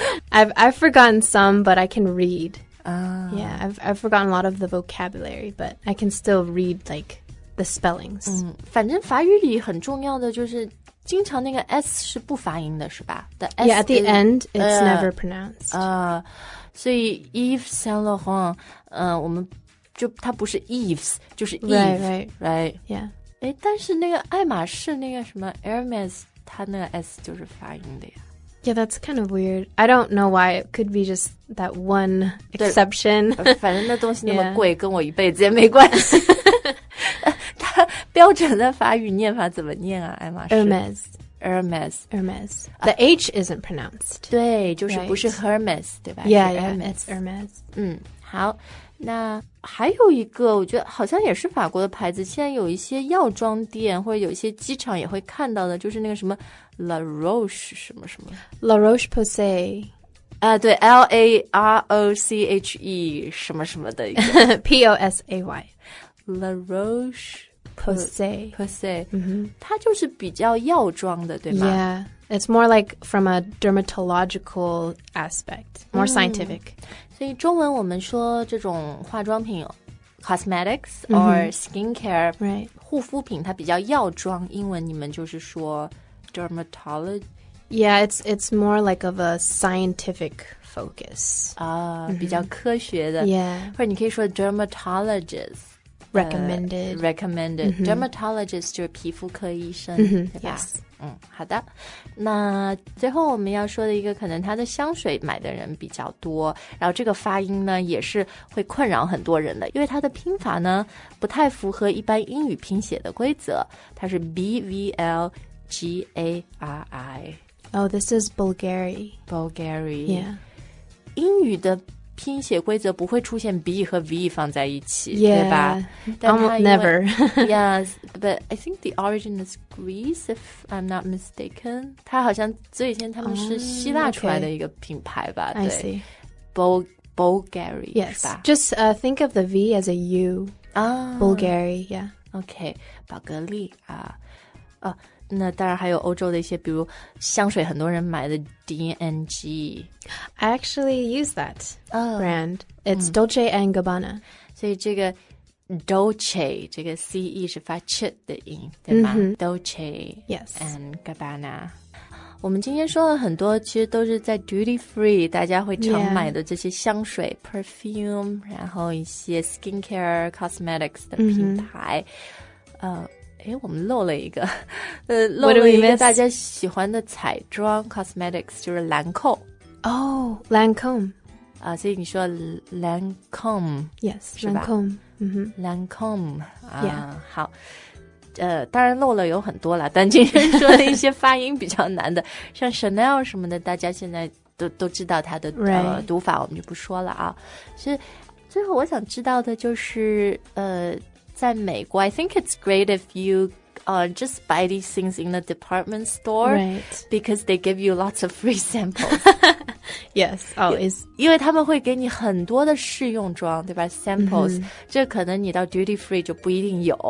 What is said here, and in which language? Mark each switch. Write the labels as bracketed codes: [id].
[en] I've forgotten some, but I can read.、 Oh. Yeah, I've forgotten a lot of the vocabulary, but I can still read, like, the spellings.、 [zh] 反正法语里很重要的就是经常那个 S 是不发音的是吧 the S [en] Yeah, at the end, it's never pronounced. [zh] 所以 Yves Saint Laurent, 我们就它不是 Yves, 就是 Yves, [en] right? Yeah. [zh] 哎，但是那个爱马仕那个什么 Hermes， 它那个 S 就是发音的呀。 [en] Yeah, that's kind of weird. I don't know why. It could be just that one exception. [zh] 反正那东西那么贵， 跟我一辈子也没关系。它标准的法语念法怎么念啊？爱马仕 [en] Hermes。 Hermes. Hermes. The H isn't pronounced. [zh] 对，就是不是 Hermes， 对吧 [en] ？Yeah, Hermes. Hermes. [zh] 好。那还有一个我觉得好像也是法国的牌子现在有一些药妆店或者有一些机场也会看到的就是那个什么 La Roche 什么什么 [en] La Roche-Posay [zh] 对 ,LAROCHE, 什么什么的一个。 [en] POSAY。 La Roche Posay. Posay.、Mm-hmm. [zh] 它就是比较药妆的对吗 [en] Yeah, it's more like from a dermatological aspect, more scientific.、 Mm-hmm. [zh] 所以中文我们说这种化妆品 cosmetics or、mm-hmm. [en] skincare,、 right. [zh] 护肤品它比较药妆英文你们就是说 dermatology? [en] Yeah, it's more like of a scientificfocus. [zh] 啊、mm-hmm. 比较科学的。 [en] Yeah. [zh] 或者你可以说 dermatologist. [en] Recommended. Recommended.、Mm-hmm. [zh] Dermatologist 就是皮肤科医生、mm-hmm. 对吧 [en] Yes.、 [zh] 嗯、好的。那最后我们要说的一个可能它的香水买的人比较多然后这个发音呢也是会困扰很多人的因为它的拼法呢不太符合一般英语拼写的规则它是 BVLGARI. [en] Oh, this is Bulgari. Bulgari. Yeah. [zh] 英语的拼写规则不会出现 B 和 V 放在一起 [en] yeah, [zh] 对吧 [en] almost never yes but I think the origin is Greece if I'm not mistaken [zh] 它好像最先他们是希腊出来的一个品牌吧、 [en] okay. [zh] 对 [en] I see Bulgari yes [zh] 是吧 [en] just、think of the V as a U、Bulgari yeah [zh] ok 宝格丽啊那当然还有欧洲的一些比如香水很多人买的 DNG [en] I actually use that、brand It's、Dolce & Gabbana [zh] 所以这个 Dolce 这个 CE 是发 CH 的音对吧、mm-hmm. [en] Dolce Yes [zh] And Gabbana 我们今天说了很多其实都是在 duty free 大家会常买的这些香水、 [en] yeah. [zh] Perfume 然后一些 skincare cosmetics 的品牌、mm-hmm. 诶我们漏了一个漏了一个大家喜欢的彩妆 cosmetics 就是兰蔻哦、oh, 兰蔻、所以你说兰蔻 yes 兰蔻、mm-hmm. 兰蔻、 [en] yeah. [zh] 好、当然漏了有很多了但今天说的一些发音比较难的像 Chanel 什么的大家现在 都知道它的、 [en] right. [zh] 读法我们就不说了啊是最后我想知道的就是在美国 [en] I think it's great if you、just buy these things in the department store、 right. because they give you lots of free samples. yes, always. [zh] 因为他们会给你很多的试用装对吧 samples,、mm-hmm. 这可能你到 duty free 就不一定有、